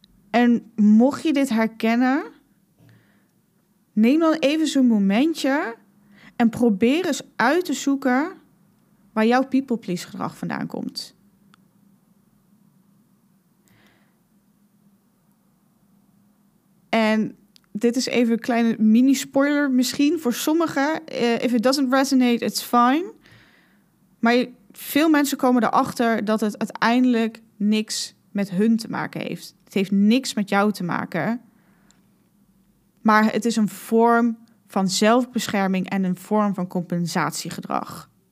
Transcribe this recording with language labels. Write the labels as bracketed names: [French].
[Dutch] En mocht je dit herkennen, neem dan even zo'n momentje en probeer eens uit te zoeken waar jouw people please gedrag vandaan komt. En dit is even een kleine mini-spoiler misschien voor sommigen. [English] If it doesn't resonate, it's fine. [Dutch] Maar veel mensen komen erachter dat het uiteindelijk niks met hun te maken heeft. Het heeft niks met jou te maken. Maar het is een vorm van zelfbescherming en een vorm van compensatiegedrag.